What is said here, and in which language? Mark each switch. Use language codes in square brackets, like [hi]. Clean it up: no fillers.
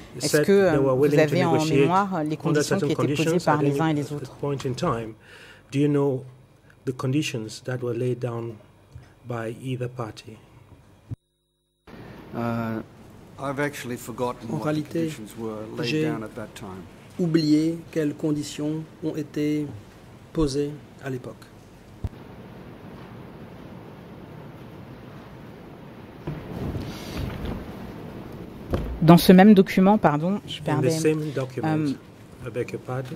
[fr] Est-ce que vous avez en mémoire les conditions qui étaient posées par les uns et les autres? [en] Do you know the conditions that were laid down by either party? I've actually forgotten what the conditions were laid down at that time. [fr] Oublier quelles conditions ont été posées à l'époque. Dans ce même document, pardon, je perdais. [en] In the same document, I beg your pardon.